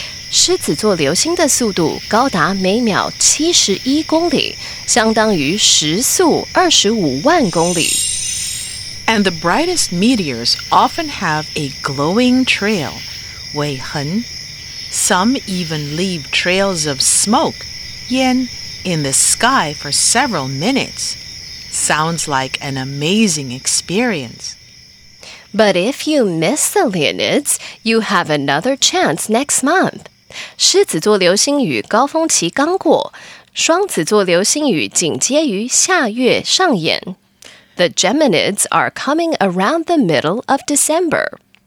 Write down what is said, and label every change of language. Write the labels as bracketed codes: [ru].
[zh] 狮子座流星的速度高达每秒71公里，相当于时速25万公里。 [en] And the brightest meteors often have a glowing trail. [zh] Wei Hen. [en] Some even leave trails of smoke, [zh] yin, [en] in the sky for several minutes. Sounds like an amazing experience. But if you miss the Leonids, you have another chance next month. [zh] 獅子座流星雨高峰期剛過，雙子座流星雨緊接於下月上演。 [en] The Geminids are coming around the middle of December.